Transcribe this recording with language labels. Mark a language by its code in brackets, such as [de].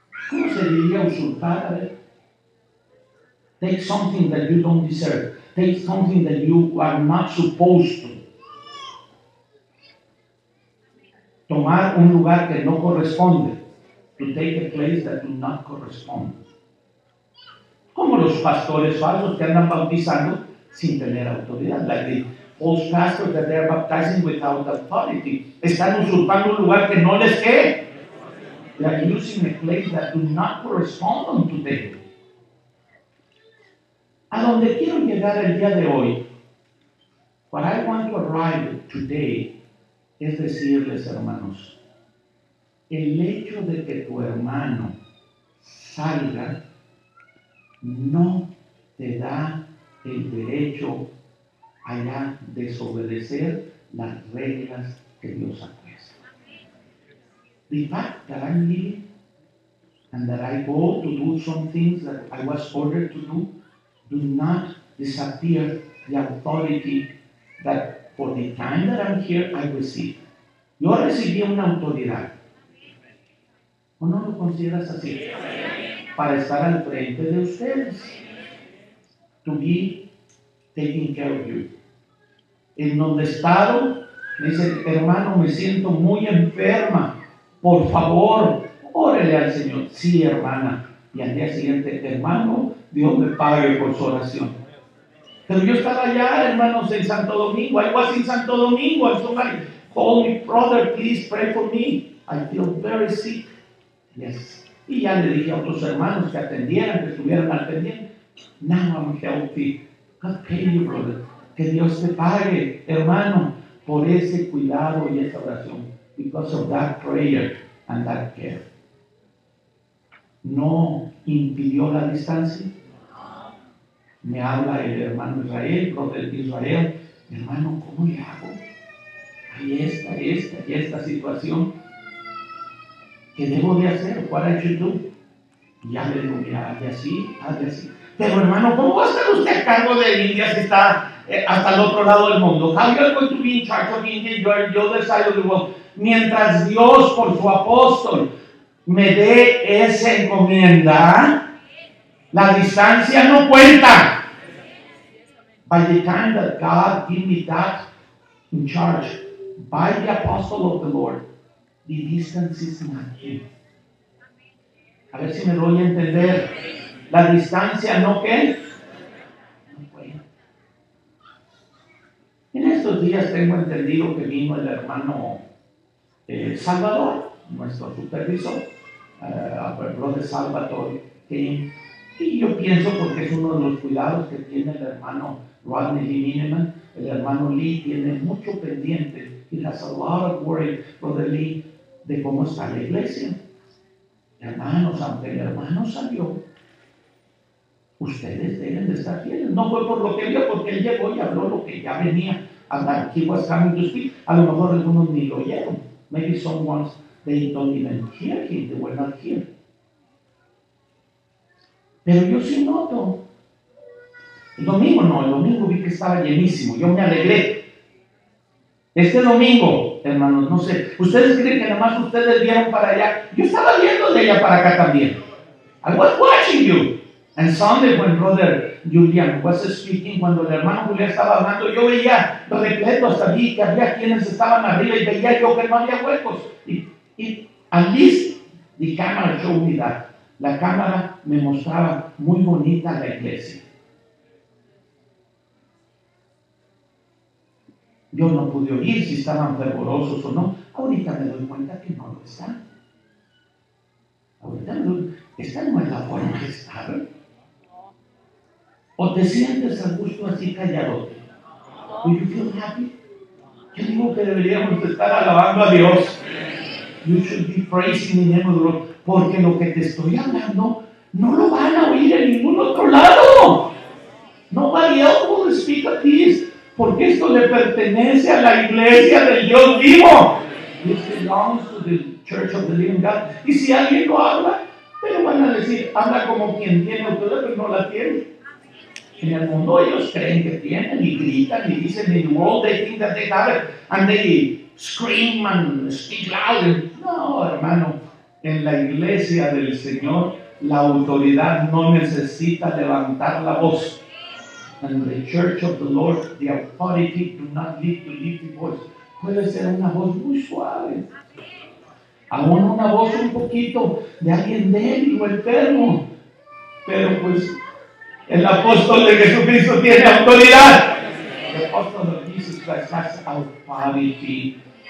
[es] ¿cómo se diría usurpar? A ver. [en] Take something that you don't deserve. Take something that you are not supposed to. [es] Tomar un lugar que no corresponde. [en] To take a place that do not correspond. [es] Como los pastores falsos que andan bautizando sin tener autoridad. [en] Like the false pastors that they are baptizing without authority. [es] Están usurpando un lugar que no les quede. [en] They are using a place that do not correspond to them. [es] A donde quiero llegar el día de hoy, [en] what I want to arrive today, [es] es decirles, hermanos, el hecho de que tu hermano salga no te da el derecho allá desobedecer las reglas que Dios ha puesto. [en] The fact that I'm leaving and that I go to do some things that I was ordered to do, do not disappear the authority that for the time that I'm here I receive. [es] Yo recibí una autoridad. ¿O no lo consideras así? Para estar al frente de ustedes. [en] To be taking care of you. [es] En donde estado, me dice, hermano, me siento muy enferma. Por favor, órele al Señor. Sí, hermana. Y al día siguiente, hermano, Dios me pague por su oración. Pero yo estaba allá, hermanos, en Santo Domingo. [en] I was in Santo Domingo. And somebody called me, brother, please pray for me. I feel very sick. Yes. [es] Y ya le dije a otros hermanos que atendieran, que estuvieran al pendiente. [en] Now I'm healthy. God pay you, brother. [es] Que Dios te pague, hermano, por ese cuidado y esa oración. [en] Because of that prayer and that care. [es] ¿No impidió la distancia? Me habla el hermano Israel, el profeta Israel. Hermano, ¿cómo le hago? Hay esta situación. ¿Qué debo de hacer? ¿Cuál hecho tú? Ya le digo, mira, hazle así. Pero hermano, ¿cómo va a estar usted a cargo de India si está hasta el otro lado del mundo? [en] How are you going to be in charge of India? You're the side of the world. [es] Mientras Dios, por su apóstol, me dé esa encomienda, la distancia no cuenta. [en] By the time that God gave me that in charge, by the apostle of the Lord, the distance is nothing. [es] A ver si me lo voy a entender. La distancia no qué. No cuenta. En estos días tengo entendido que vino el hermano Salvador, nuestro supervisor. Brother Salvatore, Y yo pienso, porque es uno de los cuidados que tiene el hermano Rodney Lineman, el hermano Lee tiene mucho pendiente, [en] he has a lot of worry, brother Lee, [es] de cómo está la iglesia. Hermanos, aunque el hermano salió, ustedes deben de estar fieles. No fue por lo que vio, porque él llegó y habló lo que ya venía a dar. [en] He was coming to speak. [es] A lo mejor algunos ni lo oyeron. [en] Maybe some ones, they don't even hear him, they were not here. [es] Pero yo sí noto. El domingo no, el domingo vi que estaba llenísimo. Yo me alegré. Este domingo, hermanos, no sé. Ustedes creen que nada más ustedes vieron para allá. Yo estaba viendo de allá para acá también. [en] I was watching you. And Sunday when brother Julian was speaking, [es] cuando el hermano Julián estaba hablando, yo veía los repletos, hasta allí que había quienes estaban arriba y veía yo que no había huecos. [en] Y at least the camera showed me that. [es] La cámara me mostraba muy bonita la iglesia. Yo no pude oír si estaban fervorosos o no. Ahorita me doy cuenta que no lo están. Ahorita me doy cuenta. Esta no es la forma de estar. ¿O te sientes a gusto así calladote? [en] ¿Do you feel happy? [es] Yo digo que deberíamos estar alabando a Dios. [en] You should be praising the name of the Lord. [es] Porque lo que te estoy hablando no lo van a oír en ningún otro lado. [en] Nobody else will speak of this. [es] Porque esto le pertenece a la iglesia del Dios vivo. [en] This belongs to the church of the living God. [es] Y si alguien lo habla, te lo van a decir, habla como quien tiene autoridad, pero no la tiene. En el mundo ellos creen que tienen y gritan y dicen, [en] in the world they think that they have it. And they scream and speak loud. [es] No, hermano. En la iglesia del Señor, la autoridad no necesita levantar la voz. [en] In the church of the Lord, the authority do not need to lift the voice. [es] Puede ser una voz muy suave. Aún una voz un poquito de alguien débil o enfermo. Pero pues, el apóstol de Jesucristo tiene autoridad. [en] The apostle of Jesus Christ has authority.